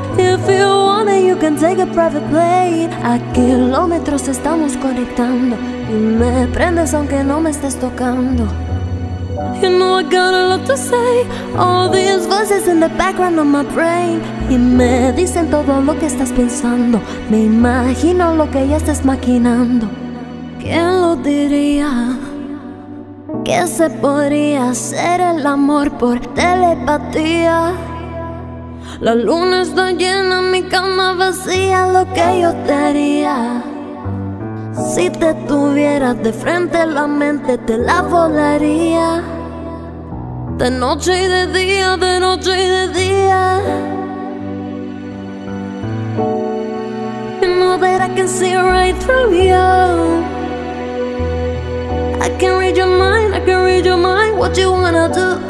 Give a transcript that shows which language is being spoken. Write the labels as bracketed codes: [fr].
[en] If you want it, you can take a private plane. [es] A kilómetros estamos conectando, y me prendes aunque no me estés tocando. [en] You know I got a lot to say. All these voices in the background of my brain, [es] y me dicen todo lo que estás pensando. Me imagino lo que ya estás maquinando. ¿Quién lo diría? Que se podría hacer el amor por telepatía. La luna está llena, mi cama vacía, lo que yo te haría. Si te tuviera de frente, la mente te la volaría. De noche y de día, de noche y de día. [en] You know that I can see right through you. I can read your mind, I can read your mind. What you wanna do?